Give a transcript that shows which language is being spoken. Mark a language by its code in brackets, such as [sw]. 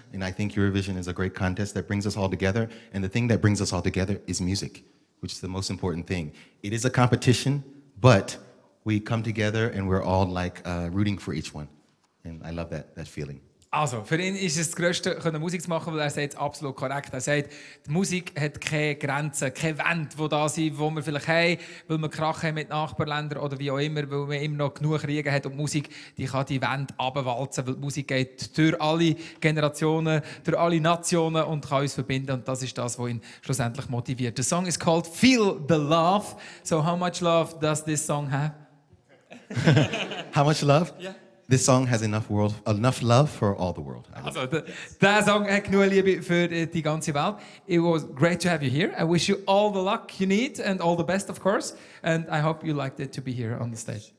[en] And I think Eurovision is a great contest that brings us all together. And the thing that brings us all together is music, which is the most important thing. It is a competition, but we come together and we're all rooting for each one. And I love that feeling. [de] Also, für ihn ist es das Größte, können Musik zu machen, weil er sagt es absolut korrekt. Er sagt, die Musik hat keine Grenzen, keine Wände, die da sind, die wir vielleicht haben, weil wir krachen mit Nachbarländern oder wie auch immer, weil wir immer noch genug Kriege haben. Und die Musik, die kann die Wände abwalzen, weil die Musik geht durch alle Generationen, durch alle Nationen und kann uns verbinden. Und das ist das, was ihn schlussendlich motiviert. [en] The song is called Feel the Love. So how much love does this song have? How much love? Yeah. This song has enough love for all the world. [de] Also, der Song hat genug Liebe für die ganze Welt. [en] It was great to have you here. I wish you all the luck you need and all the best, of course. And I hope you liked it to be here on the stage.